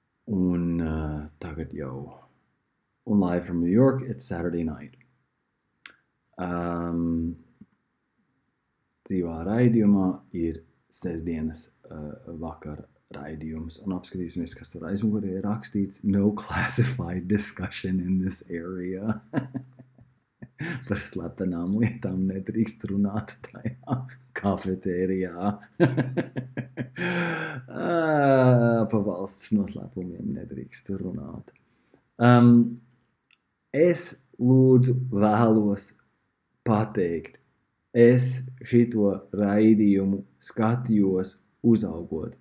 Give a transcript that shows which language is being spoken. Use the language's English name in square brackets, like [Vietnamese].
[Latvian] Un tagad jau un [English] live from New York, it's Saturday night. [Latvian] Dzīvā raidījumā ir sestdienas vakar raidījums. Un apskatīsimies, kas tur aizmugurē ir rakstīts. [English] No classified discussion in this area. [Latvian] Par slepenām lietām nedrīkst runāt tajā kafetērijā. Pa valsts noslēpumiem nedrīkst runāt. Es lūdzu vēlos pateikt, es šito raidījumu skatījos uzaugot.